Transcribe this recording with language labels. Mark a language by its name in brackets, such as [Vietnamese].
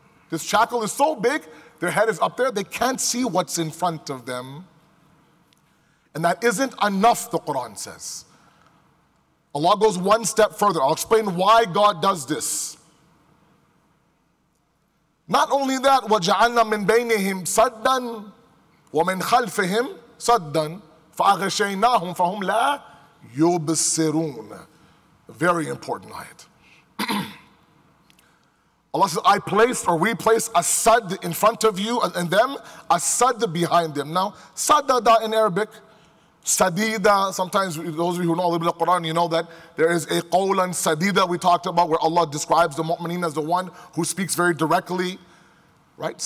[English] This shackle is so big, their head is up there, they can't see what's in front of them. And that isn't enough, the Quran says. Allah goes one step further. I'll explain why God does this. Not only that, [Arabic] وَجَعَلْنَا مِنْ بَيْنِهِمْ سَدًّا وَمِنْ خَلْفِهِمْ سَدًّا فَأَغَشَيْنَاهُمْ فَهُمْ لَا يبصرون. [English] Very important ayat. Allah says, we place a sad in front of you and them, a sad behind them. Now, sadada in Arabic, sadida, sometimes those of you who know a little bit of Quran, you know that there is a qawlan sadida we talked about where Allah describes the mu'mineen as the one who speaks very directly, right?